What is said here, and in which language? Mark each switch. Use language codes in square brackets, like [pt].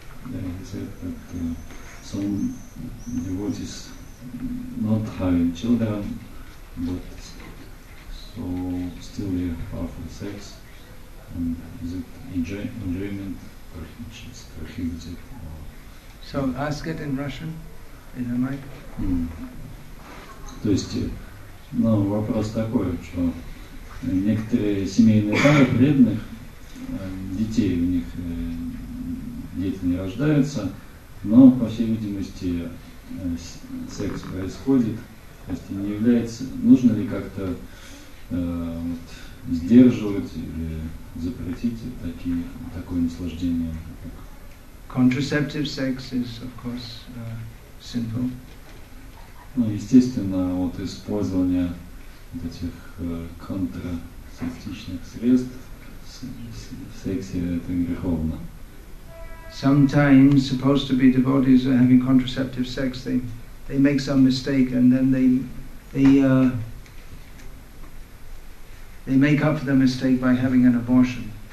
[en] Yeah, he said that some devotees not having children, but so still they have powerful sex, and is it enjoyment prohibited? So ask it in Russian, in the mic. [ru] То есть, вопрос такой, что некоторые семейные пары преданных, детей у них, дети не рождаются, но, по всей видимости, секс происходит. То есть, не является, нужно ли как-то сдерживать или запретить такое наслаждение? [en] Contraceptive sex is, of course, sinful. [ru] Ну, естественно, вот использование этих контрацептивных средств в сексе это греховно. [en] Sometimes supposed to be devotees are having contraceptive sex, they make some mistake and then they make up for the mistake by having an abortion.